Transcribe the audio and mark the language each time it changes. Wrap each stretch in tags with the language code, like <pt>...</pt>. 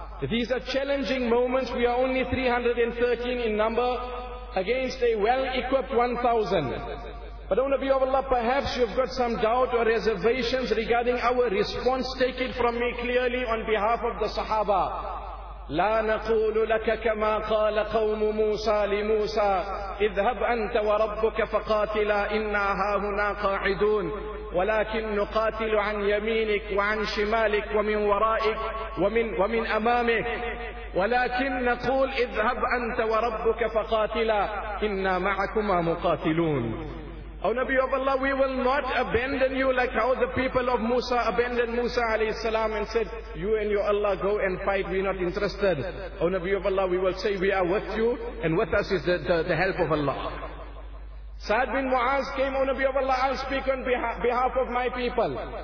<en>These are challenging moments. We are only 313 in number against a well-equipped 1,000. But O Nabi of Allah, perhaps you've got some doubt or reservations regarding our response. Take it from me clearly on behalf of the Sahaba.</en> <ar>لا نقول لك كما قال قوم موسى لموسى اذهب أنت وربك فقاتلا إنا هاهنا قاعدون ولكن نقاتل عن يمينك وعن شمالك ومن ورائك ومن أمامك ولكن نقول اذهب أنت وربك فقاتلا إنا معكما مقاتلون.</ar> <en>O Nabi of Allah, we will not abandon you like how the people of Musa abandoned Musa alayhi salam and said, you and your Allah go and fight, we are not interested. O Nabi of Allah, we will say we are with you, and with us is the help of Allah. Sa'd bin Mu'az came, O Nabi of Allah, I'll speak on behalf of my people.</en>